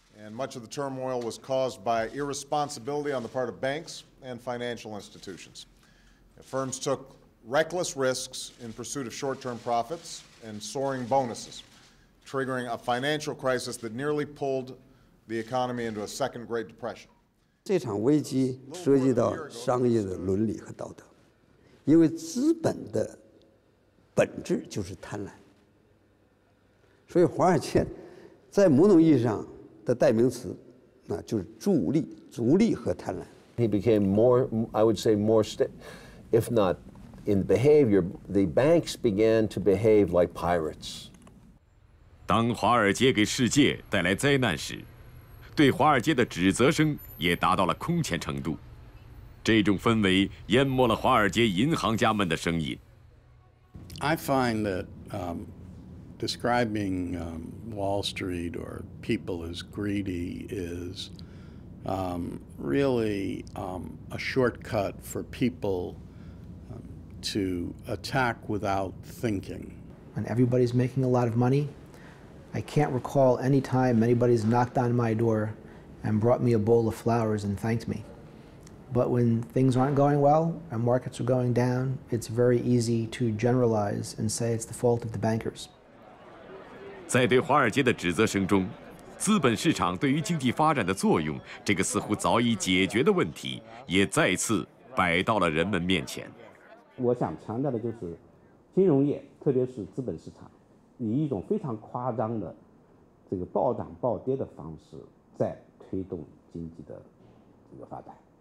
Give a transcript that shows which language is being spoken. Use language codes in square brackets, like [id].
[en] Much of the turmoil was caused by irresponsibility on the part of banks and financial institutions. Firms took reckless risks in pursuit of short-term profits and soaring bonuses, triggering a financial crisis that nearly pulled the economy into a second Great Depression. [zh] 这场危机涉及到商业的伦理和道德，因为资本的本质就是贪婪。所以华尔街在某种意义上的代名词，那就是逐利、逐利和贪婪。 [en] He became more, I would say, more, if not in behavior, the banks began to behave like pirates. [zh] 当华尔街给世界带来灾难时，对华尔街的指责声也达到了空前程度。这种氛围淹没了华尔街银行家们的声音。 [en] I find that, describing Wall Street or people as greedy is really a shortcut for people to attack without thinking. When everybody's making a lot of money, I can't recall any time anybody's knocked on my door and brought me a bowl of flowers and thanked me. But when things aren't going well and markets are going down, it's very easy to generalize and say it's the fault of the bankers. [zh] 在对华尔街的指责声中，资本市场对于经济发展的作用，这个似乎早已解决的问题，也再次摆到了人们面前。我想强调的就是，金融业，特别是资本市场，以一种非常夸张的这个暴涨暴跌的方式，在推动经济的这个发展。